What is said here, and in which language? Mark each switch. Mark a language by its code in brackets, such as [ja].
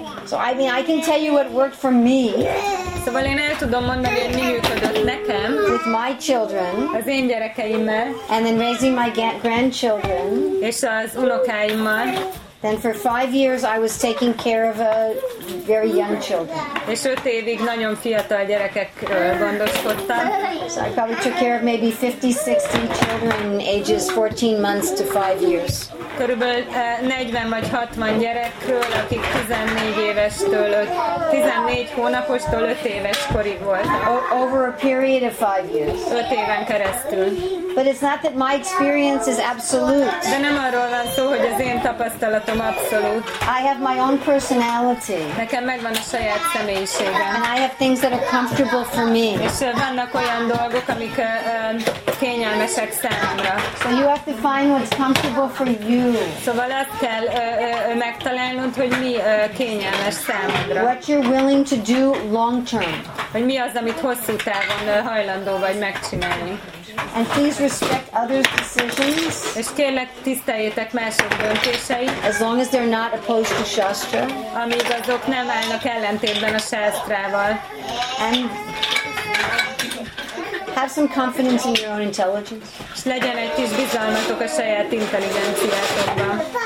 [en] So I mean, I can tell you what worked for me. [hu] Szóval én el tudom mondani, hogy mi működött nekem. [en] With my children. [hu] Az én gyerekeimmel. [en] And then raising my grandchildren. [hu] És az unokáimmal. [en] Then for 5 years I was taking care of a very young children. [hu] És 5 évig nagyon fiatal gyerekekről gondoskodtam. [en] So I probably took care of maybe 50-60 children ages 14 months to 5 years. [hu] körülbelül 40 vagy 60 gyerekről, akik 14 évestől 14 hónapostól 5 éves korig volt. [en] Over a period of 5 years. [hu] 5 éven keresztül. [en] But it's not that my experience is absolute. [hu] De nem arról van szó, hogy az én tapasztalatom abszolút. [en] I have my own personality. [hu] Nekem megvan a saját személyiségem. [en] And I have things that are comfortable for me. [hu] És vannak olyan dolgok, amik kényelmesek számomra. [en] So you have to find what's comfortable for you. [hu] Szóval azt kell megtalálnod, hogy mi kényelmes számodra. [en] What you're willing to do long term. [hu] Hogy mi az, amit hosszú távon hajlandó vagy megcsinálni. [en] And please respect others' decisions. [hu] És kérlek, tiszteljétek mások döntéseit. [en] As long as they're not opposed to Shastra. [hu] Amíg azok nem állnak ellentétben a Shastrával. [en] And have some confidence in your own intelligence. [hu] És legyen egy kis bizalmatok a saját intelligenciátokban.